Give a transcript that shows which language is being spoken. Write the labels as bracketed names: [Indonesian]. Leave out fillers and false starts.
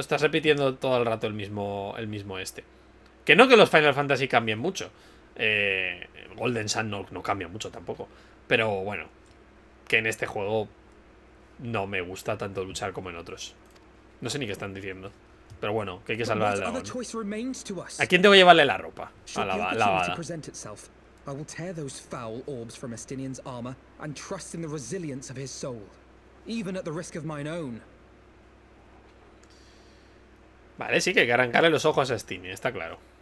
[Spanish] Estás repitiendo todo el rato el mismo este. Que no que los Final Fantasy cambien mucho. Golden Sun no cambia mucho tampoco. Pero bueno, que en este juego no me gusta tanto luchar como en otros. No sé ni qué están diciendo. Pero bueno, que hay que salvar al dragón. ¿A quién tengo que llevarle la ropa? A la bala. [English] I will tear those foul orbs from Astinian's armor and trust in the resilience of his soul, even at the risk of mine own. [Spanish] Vale, sí, que hay que arrancarle los ojos a Astinian, está claro.